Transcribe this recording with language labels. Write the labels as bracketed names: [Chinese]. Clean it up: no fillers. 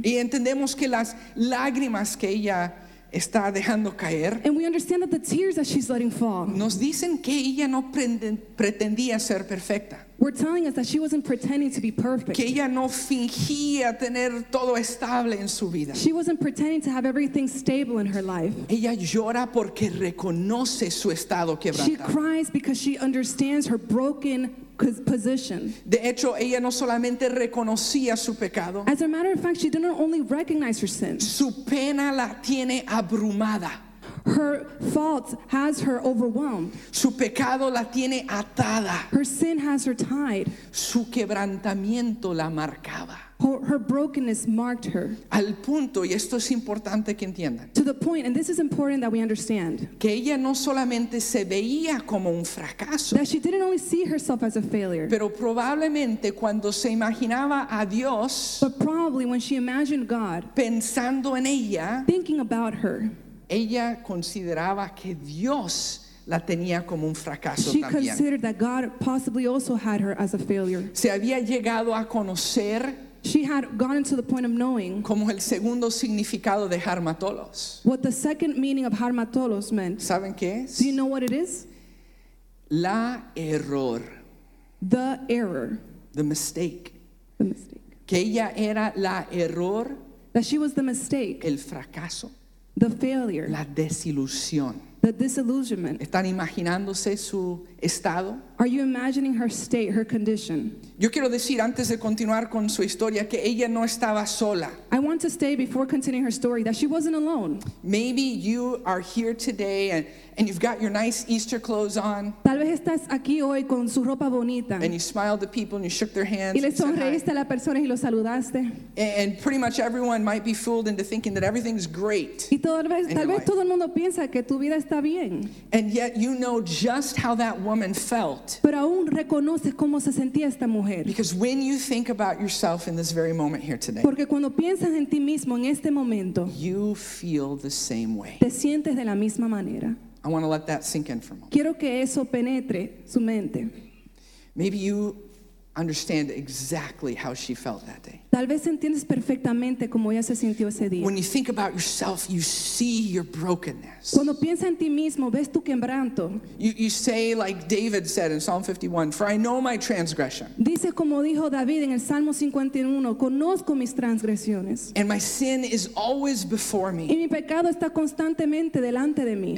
[Spanish] Y entendemos que las lágrimas que ella está dejando caer. [English] And we understand that the tears that she's letting fall. [Spanish] Nos dicen que ella no pretendía ser perfecta. [English] We're telling us that she wasn't pretending to be perfect. [Spanish] Que ella no fingía tener todo estable en su vida. [English] She wasn't pretending to have everything stable in her life. [Spanish] Ella llora porque reconoce su estado quebrantado. [English] She cries because she understands her broken position. [Spanish] De hecho, ella no solamente reconocía su pecado. [English] As a matter of fact, she didn't only recognize her sin. [Spanish] Su pena la tiene abrumada. [English] Her faults has her overwhelmed. [Spanish] Su pecado la tiene atada. [English] Her sin has her tied. [Spanish] Su quebrantamiento la marcaba. [English] Her brokenness marked her. [Spanish] Al punto, y esto es importante que entiendan, [English] to the point, and this is important that we understand, [Spanish] que ella no solamente se veía como un fracaso, [English] that she didn't only see herself as a failure, [Spanish] pero probablemente cuando se imaginaba a Dios, [English] but probably when she imagined God, [Spanish] pensando en ella, [English] thinking about her, [Spanish] ella consideraba que Dios la tenía como un fracaso [English] she [Spanish] también. [English] Considered that God possibly also had her as a failure. [Spanish] Se había llegado a conocer. [English] She had gone to the point of knowing [Spanish] como el segundo significado de harmatolos. [English] What the second meaning of harmatolos meant. [Spanish] ¿Saben qué es? [English] Do you know what it is? [Spanish] La error. [English] The error. The mistake. The mistake. [Spanish] Que ella era la error. [English] That she was the mistake. [Spanish] El fracaso. [English] The failure. [Spanish] La desilusión. [English] The disillusionment. [Spanish] ¿Están imaginándose su estado? [English] Are you imagining her state, her condition? [Spanish] Yo quiero decir antes de continuar con su historia que ella no estaba sola. [English] I want to say before continuing her story that she wasn't alone. Maybe you are here today and you've got your nice Easter clothes on. [Spanish] Tal vez estás aquí hoy con su ropa bonita. [English] And you smiled to people and you shook their hands. [Spanish] Y le sonreíste a las personas y los saludaste. [English] And pretty much everyone might be fooled into thinking that everything's great. [Spanish] Y tal vez todo el mundo piensa que tu vida está bien. [English] And yet you know just how that woman felt. [Spanish] Pero aún reconoce cómo se sentía esta mujer. [English] Because when you think about yourself in this very moment here today, [Spanish] porque cuando piensas en ti mismo en este momento, [English] you feel the same way. [Spanish] Te sientes de la misma manera. [English] I want to let that sink in for a moment. [Spanish] Quiero que eso penetre su mente. [English] Maybe you understand exactly how she felt that day. [Spanish] Tal vez entiendes perfectamente cómo ella se sintió ese día. [English] When you think about yourself, you see your brokenness. [Spanish] Cuando piensas en ti mismo, ves tu quebranto. [English] You say like David said in Psalm 51, "For I know my transgression." [Spanish] Dice como dijo David en el Salmo 51, "Conozco mis transgresiones." [English] And my sin is always before me. [Spanish] Y mi pecado está constantemente delante de mí.